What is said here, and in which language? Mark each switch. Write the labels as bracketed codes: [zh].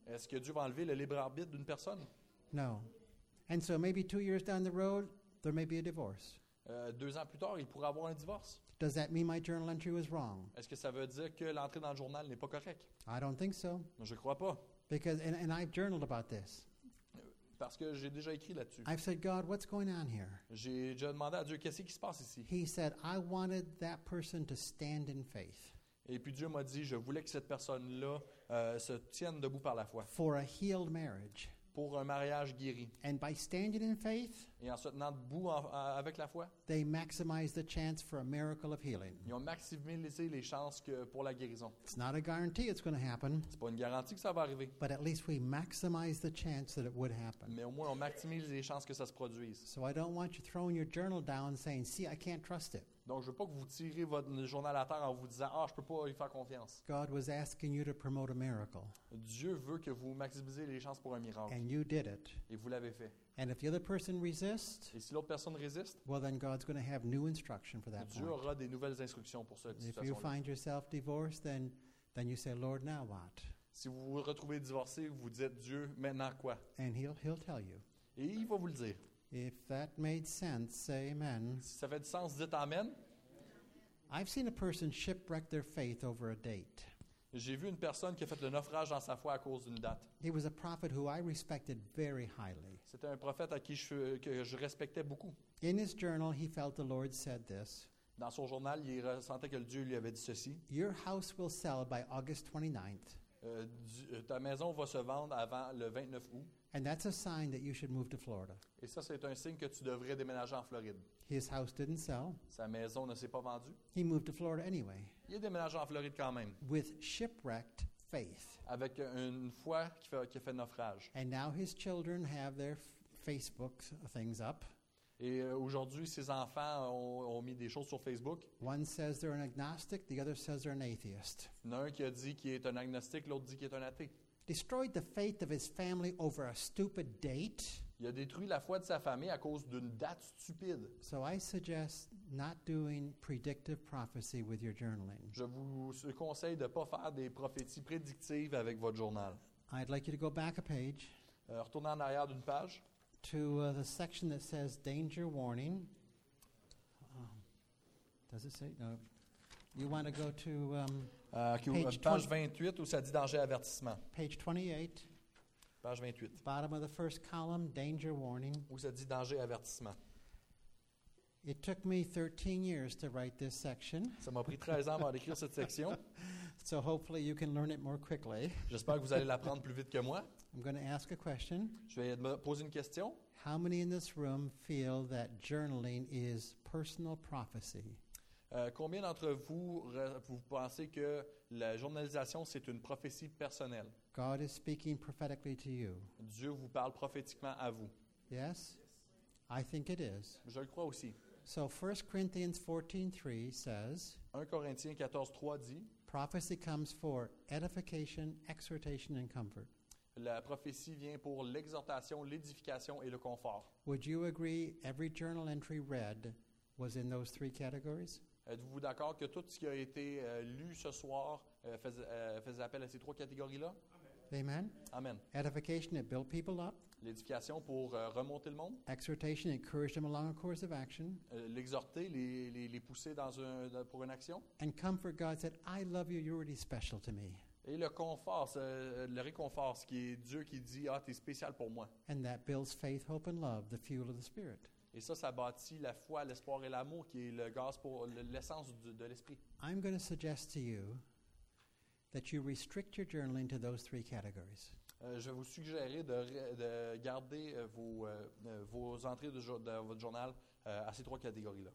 [fr] Est-ce que Dieu va enlever le libre arbitre d'une personne? [en] No. And so maybe 2 years down the road, there may be a divorce. [fr] 2 ans plus tard, il pourrait avoir un divorce. [en] Does that mean my journal entry was wrong? [fr] Est-ce que ça veut dire que l'entrée dans le journal n'est pas correcte? [en] I don't think so. [fr] Je crois pas. [en] Because and I've journaled about this. [fr] Parce que j'ai déjà écrit là-dessus. [en] I've said, God, what's going on here? [fr] J'ai déjà demandé à Dieu, qu'est-ce qui se passe ici? [en] He said, I wanted that person to stand in faith. [fr] Et puis Dieu m'a dit, je voulais que cette personne-là se tienne debout par la foi. [en] For a healed marriage. [fr] Pour un mariage guéri. [en] And by standing in faith, [fr] et en se tenant debout avec la foi, [en] they maximize the chance for a miracle of healing. [fr] Ils ont maximisé les chances pour la guérison. [en] It's not a guarantee it's going to happen. [fr] C'est pas une garantie que ça va arriver. [en] But at least we maximize the chance that it would happen. [fr] Mais au moins on maximise les chances que ça se produise. [en] So I don't want you throwing your journal down saying, "See, I can't trust it." [fr] Donc je veux pas que vous tirez votre journal à terre en vous disant, je peux pas y faire confiance. [en] God was asking you to promote a miracle. [fr] Dieu veut que vous maximisez les chances pour un miracle. [en] And you did it. [fr] Et vous l'avez fait. [en] And if the other person resists, [fr] et si l'autre personne résiste, [en] well then God's going to have new instruction for that. [fr] Dieu aura des nouvelles instructions pour cette situation. [en] If you find yourself divorced, then you say, Lord, now what? [fr] Si vous vous retrouvez divorcé, vous dites, Dieu, maintenant quoi? [en] And he'll tell you. [fr] Et il va vous le dire. [en] If that made sense, say amen. [fr] Si ça fait du sens, dites amen. [en] I've seen a person shipwreck their faith over a date. [fr] J'ai vu une personne qui a fait le naufrage dans sa foi à cause d'une date. [en] He was a prophet who I respected very highly. [fr] C'était un prophète à qui je respectais beaucoup. [en] In his journal, he felt the Lord said this. [fr] Dans son journal, il ressentait que le Dieu lui avait dit ceci. [en] Your house will sell by August 29th. [fr] Ta maison va se vendre avant le 29 août. [en] And that's a sign that you should move to Florida. [fr] Et ça, c'est un signe que tu devrais déménager en Floride. [en] His house didn't sell. [fr] Sa maison ne s'est pas vendue. [en] He moved to Florida anyway. [fr] Il est déménagé en Floride quand même. [en] With shipwrecked faith. [fr] Avec une foi qui a fait naufrage. [en] And now his children have their Facebook things up. [fr] Et aujourd'hui, ses enfants ont mis des choses sur Facebook. [en] One says they're an agnostic, the other says they're an atheist. [fr] L'un qui a dit qu'il est un agnostique, l'autre dit qu'il est un athée. [en] Destroyed the faith of his family over a stupid date. [fr] Il a détruit la foi de sa famille à cause d'une date stupide. [en] So I suggest not doing predictive prophecy with your journaling. [fr] Je vous conseille de pas faire des prophéties prédictives avec votre journal. [en] I'd like you to go back a page. [fr] Retournez en arrière d'une page. [en] To the section that says danger warning. Does it say? No. You want to go to [fr] page 28 où ça dit danger avertissement. [en] Page 28. [fr] Page 28. [en] Bottom of the first column, danger warning. [fr] Où ça dit danger avertissement. [en] It took me 13 years to write this section. [fr] Ça m'a pris 13 ans pour écrire cette section. [en] So hopefully you can learn it more quickly. [fr] J'espère que vous allez l'apprendre plus vite que moi. [en] I'm going to ask a question. [fr] Je vais me poser une question. [en] How many in this room feel that journaling is personal prophecy? [fr] Combien d'entre vous vous pensez que la journalisation c'est une prophétie personnelle? [en] God is speaking prophetically to you. [fr] Dieu vous parle prophétiquement à vous. [en] Yes. I think it is. [fr] Je le crois aussi. [en] So 1 Corinthians 14:3 says [fr] 1 Corinthiens 14:3 dit [en] prophecy comes for edification, exhortation and comfort. [fr] La prophétie vient pour l'exhortation, l'édification et le confort. [en] Would you agree every journal entry read was in those three categories? [fr] Êtes-vous d'accord que tout ce qui a été lu ce soir faisait appel à ces trois catégories-là? [en] Amen. [fr] Amen. [en] Edification, it built people up. [fr] L'édification pour remonter le monde. [en] Exhortation, encourage them along a course of action. [fr] L'exhorter, les pousser dans un pour une action. [en] And comfort, God said, I love you. You're really special to me. [fr] Et le confort, le réconfort, ce qui est Dieu qui dit, ah, t'es spécial pour moi. [en] And that builds faith, hope, and love, the fuel of the Spirit. [fr] Et ça bâtit la foi, l'espoir et l'amour, qui est le gaz pour l'essence de l'esprit. [en] I'm going to suggest to you that you restrict your journaling to those three categories. [fr] Je vais vous suggérer de garder vos entrées de votre journal à ces trois catégories-là.